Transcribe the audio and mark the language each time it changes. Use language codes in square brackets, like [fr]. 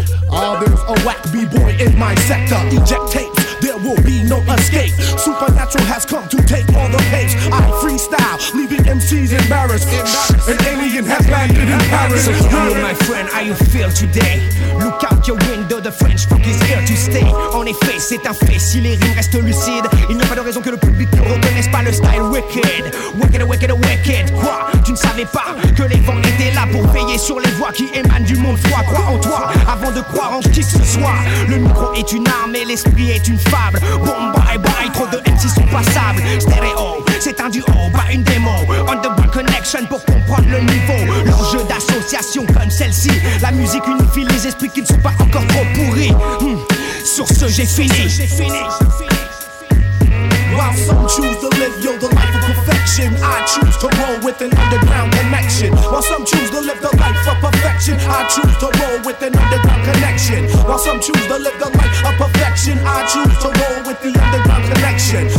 [en] Oh, there's a whack b-boy in my sector. Eject tapes, there will be no escape. Supernatural has come to take all the pace. I freestyle, leaving MCs embarrassed. An alien has landed in Paris. So tell me, my friend, how you feel today? Look out your window, the French fuck is here to stay. [fr] En effet, c'est un fait, si les rimes restent lucides, il n'y a pas de raison que le public ne reconnaisse pas le style wicked. Wicked, wicked, wicked. Quoi? Tu ne savais pas que les vents étaient là pour veiller sur les voix qui émanent du monde froid. Crois en toi avant de croire en qui que ce soit. Le micro est une arme et l'esprit est une fable. Boom, bye, bye, trop de MC sont passables. Stéréo, c'est un duo, pas une démo. Underground connection pour comprendre le niveau. L'enjeu d'association comme celle-ci. La musique unifie les esprits qui ne sont pas encore trop pourris. Sur ce, j'ai fini. [en] While some choose to live, yo, the life of perfection, I choose to roll with an underground connection. While some choose to live the life of perfection, I choose to roll with an underground connection. While some choose to live the life of perfection, I choose to roll with the underground connection.